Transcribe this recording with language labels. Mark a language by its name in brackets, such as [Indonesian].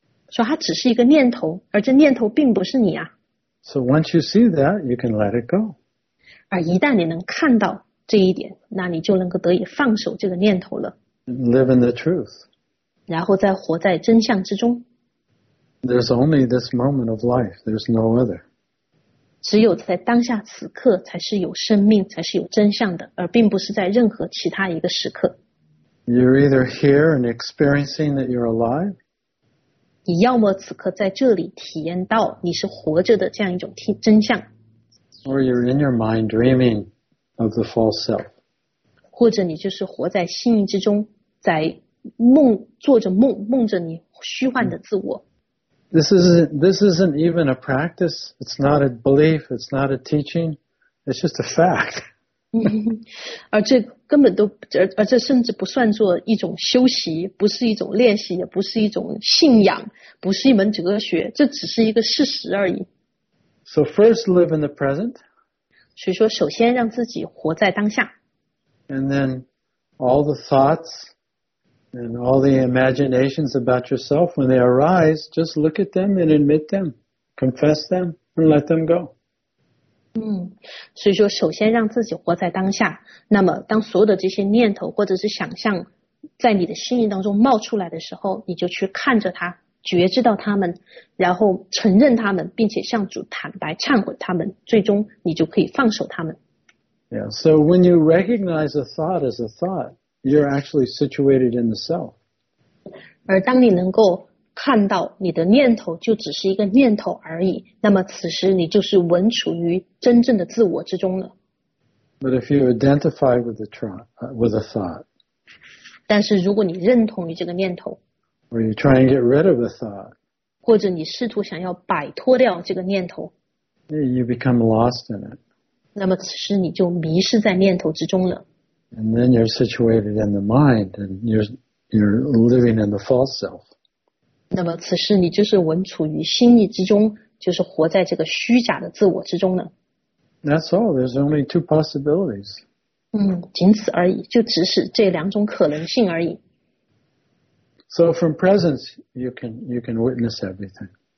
[Chinese] 说它只是一个念头，而这念头并不是你啊。 [English] So once you see that, you can let it go. [Chinese] 而一旦你能看到这一点，那你就能够得以放手这个念头了。 [English] Live in the truth. [Chinese] 然后再活在真相之中。 [English] There's only this moment of life. There's no other. [Chinese] 只有在当下此刻才是有生命，才是有真相的，而并不是在任何其他一个时刻。 [English] You're either here and experiencing that you're alive. [Chinese] 你要么此刻在这里体验到你是活着的这样一种真相。 [English] Or you're in your mind dreaming of the false self. [Chinese] 或者你就是活在心意之中，在梦做着梦，梦着你虚幻的自我。 [English] This isn't even a practice. It's not a belief. It's not a teaching. It's just a fact. [Chinese] 而这根本都而这甚至不算做一种修习，不是一种练习，也不是一种信仰，不是一门哲学，这只是一个事实而已。 [English] So first live in the present. [Chinese] 所以说首先让自己活在当下。 [English] And then all the thoughts and all the imaginations about yourself, when they arise, just look at them and admit them, confess them, and let them go. [Chinese] 所以说首先让自己活在当下。那么当所有的这些念头或者是想象在你的心意当中冒出来的时候，你就去看着它。觉知到他们，然后承认他们，并且向主坦白忏悔他们，最终你就可以放手他们。 [English] Yeah, so when you recognize a thought as a thought, you're actually situated in the self. [Chinese] 而当你能够看到你的念头就只是一个念头而已，那么此时你就是稳处于真正的自我之中了。 [English] But if you identify with a thought, [Chinese] 但是如果你认同于这个念头。 [English] Or you try and get rid of a thought. [Chinese] 或者你试图想要摆脱掉这个念头。 [English] You become lost in it. [Chinese] 那么此时你就迷失在念头之中了。 [English] And then you're situated in the mind, and you're living in the false self. [Chinese] 那么此时你就是稳处于心意之中，就是活在这个虚假的自我之中了。 [English] That's all. There's only two possibilities. [Chinese] 仅此而已，就只是这两种可能性而已。 [English] So from presence, you can witness everything.